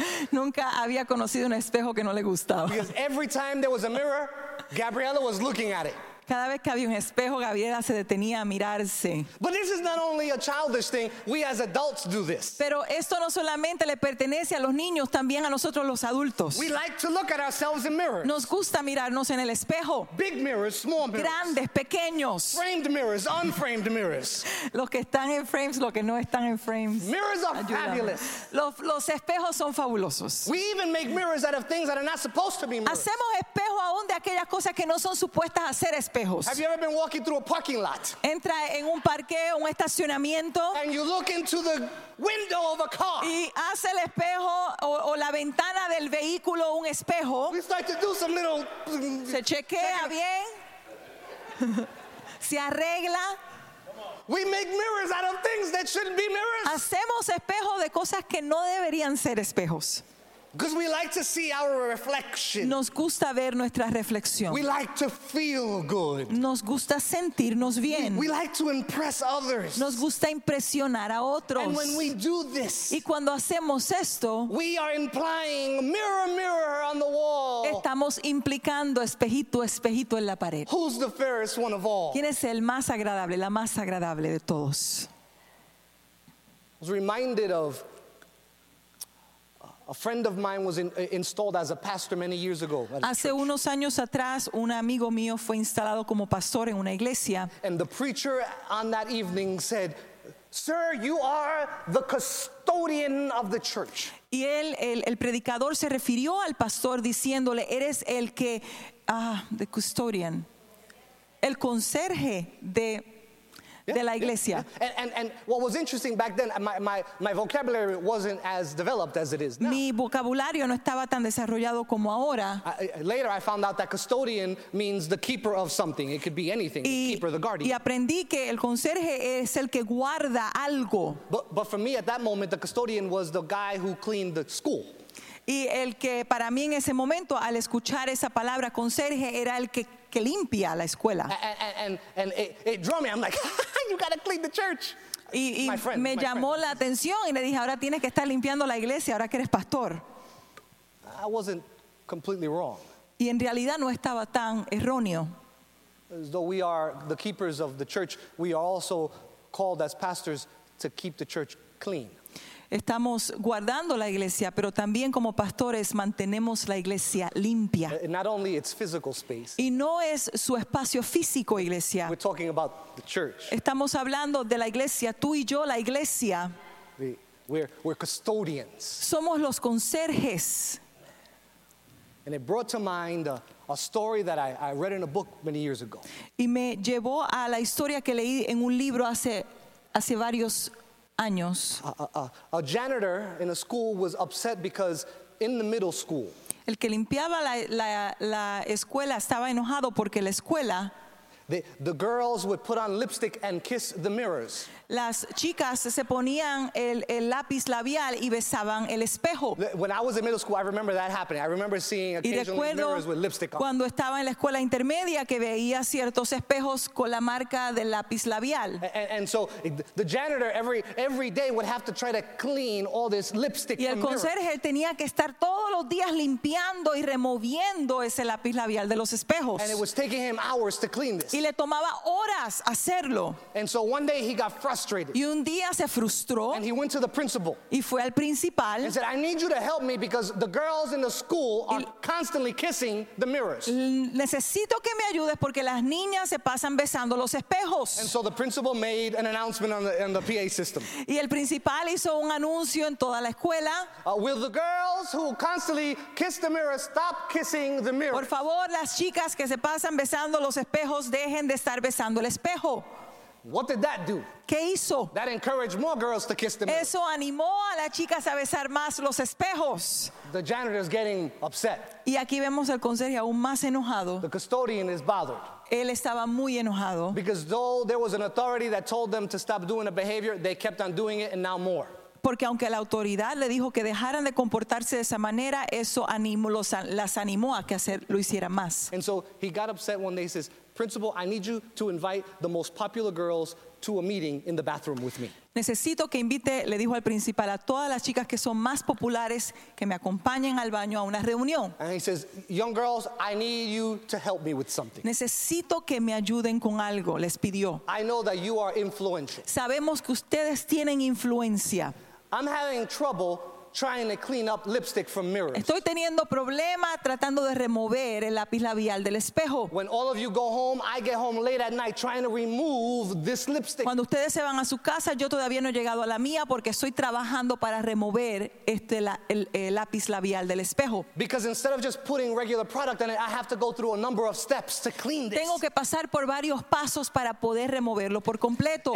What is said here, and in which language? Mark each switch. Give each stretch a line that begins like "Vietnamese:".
Spanish: Nunca había conocido un espejo que no le gustaba.
English: Because every time there was a mirror, Gabriella was looking at it.
Spanish: Cada vez que había un espejo, Gabriela se detenía a mirarse.
English: But this is not only a childish thing, we as adults do this.
Spanish: Pero esto no solamente le pertenece a los niños, también a nosotros los adultos.
English: We like to look at ourselves in mirrors.
Spanish: Nos gusta mirarnos en el espejo.
English: Big mirrors, small mirrors.
Spanish: Grandes, pequeños.
English: Framed mirrors, unframed mirrors.
Spanish: Los que están en frames, los que no están en frames.
English: Mirrors are
Spanish: ayúdame.
English: Fabulous.
Spanish: Los espejos son fabulosos.
English: We even make mirrors out of things that are not supposed to be mirrors.
Spanish: Hacemos espejos aún de aquellas cosas que no son supuestas a ser espejos.
English: Have you ever been walking through a parking lot?
Spanish: Entra en un parque o un estacionamiento.
English: And you look into the window of a car.
Spanish: Y hace el espejo o la ventana del vehículo un espejo.
English: We start to do some little.
Spanish: Se chequea bien. Se arregla.
English: We make mirrors out of things that shouldn't be mirrors.
Spanish: Hacemos espejos de cosas que no deberían ser espejos.
English: Because we like to see our reflection.
Spanish: Nos gusta ver nuestra reflexión.
English: We like to feel good.
Spanish: Nos gusta sentirnos bien.
English: We like to impress others.
Spanish: Nos gusta impresionar a otros.
English: And when we do this,
Spanish: y cuando hacemos esto,
English: we are implying mirror, mirror on the wall.
Spanish: Estamos implicando espejito, espejito en la pared.
English: Who's the fairest one of all?
Spanish: ¿Quién es el más agradable, la más agradable de todos?
English: I was reminded of a friend of mine was installed as a pastor many years ago.
Spanish: Hace unos años atrás, un amigo mío fue instalado como pastor en una iglesia.
English: And the preacher on that evening said, "Sir, you are the custodian of the church."
Spanish: Y él, el predicador se refirió al pastor diciéndole, "Eres el que
English: the custodian,
Spanish: el conserje de de la iglesia."
English: And what was interesting back then, my vocabulary wasn't as developed as it is now.
Spanish: Mi vocabulario no estaba tan desarrollado como ahora.
English: Later I found out that custodian means the keeper of something. It could be anything, the keeper, the guardian.
Spanish: Y aprendí que el conserje es el que guarda algo.
English: But for me at that moment, the custodian was the guy who cleaned the school.
Spanish: Y el que para mí en ese momento, al escuchar esa palabra conserje, era el que limpia la escuela.
English: And it drew me. I'm like, you gotta clean the church.
Spanish: Y
English: my friend,
Spanish: me llamó la atención y le dije, ahora tienes que estar limpiando la iglesia, ahora que eres pastor.
English: I wasn't completely wrong.
Spanish: Y en realidad no estaba tan erróneo.
English: As though we are the keepers of the church, we are also called as pastors to keep the church clean.
Spanish: Estamos guardando la iglesia, pero también como pastores mantenemos la iglesia limpia.
English: Not only its physical space.
Spanish: Y no es su espacio físico, iglesia.
English: We're talking about the church.
Spanish: Estamos hablando de la iglesia, tú y yo, la iglesia.
English: We're custodians.
Spanish: Somos los conserjes.
English: And it brought to mind a story that I read in a book many years ago.
Spanish: Y me llevó a la historia que leí en un libro hace varios años.
English: A janitor in a school was upset because in the middle school,
Spanish: el que limpiaba la escuela estaba enojado porque la escuela,
English: the girls would put on lipstick and kiss the mirrors.
Spanish: Las chicas se ponían el lápiz labial y besaban el espejo.
English: When I was in middle school, I remember that happening. I remember seeing occasionally mirrors with lipstick on.
Spanish: Cuando estaba en la escuela intermedia, que veía ciertos espejos con la marca del lápiz labial.
English: And so the janitor every day would have to try to clean all this lipstick.
Spanish: Y el conserje tenía que estar todos los días limpiando y removiendo ese lápiz labial de los espejos.
English: And it was taking him hours to clean this.
Spanish: Y le tomaba horas hacerlo.
English: And so one day he got frustrated.
Spanish: Y un día se frustró.
English: And he went to the principal.
Spanish: Y fue al principal.
English: And said, "I need you to help me because the girls in the school are constantly kissing the mirrors."
Spanish: Necesito que me ayudes porque las niñas se pasan besando los espejos.
English: And so the principal made an announcement on the PA system.
Spanish: Y el principal hizo un anuncio en toda la escuela.
English: "Will the girls who constantly kiss the mirrors stop kissing the mirrors?"
Spanish: Por favor, las chicas que se pasan besando los espejos, dejen de estar besando el espejo.
English: What did that do?
Spanish: ¿Qué hizo?
English: That encouraged more girls to kiss the mirror.
Spanish: Eso animó a las chicas a besar más los espejos.
English: The janitor is getting upset.
Spanish: Y aquí vemos al conserje aún más enojado.
English: The custodian is bothered.
Spanish: Él estaba muy enojado.
English: Because though there was an authority that told them to stop doing a behavior, they kept on doing it and now more.
Spanish: Porque aunque la autoridad le dijo que dejaran de comportarse de esa manera, eso las animó a que lo hicieran más.
English: And so he got upset one day and says, "Principal, I need you to invite the most popular girls to a meeting in the bathroom with me."
Spanish: Necesito que invite, le dijo al principal, a todas las chicas que son más populares que me acompañen al baño a una reunión.
English: And he says, "Young girls, I need you to help me with something."
Spanish: Necesito que me ayuden con algo, les pidió.
English: "I know that you are influential."
Spanish: Sabemos que ustedes tienen influencia.
English: "I'm having trouble trying to clean up lipstick from mirrors."
Spanish: Estoy teniendo problema tratando de remover el lápiz labial del espejo.
English: "When all of you go home, I get home late at night trying to remove this lipstick."
Spanish: Cuando ustedes se van a su casa, yo todavía no he llegado a la mía porque estoy trabajando para remover el lápiz labial del espejo.
English: "Because instead of just putting regular product in it, I have to go through a number of steps to clean this."
Spanish: Tengo que pasar por varios pasos para poder removerlo por completo.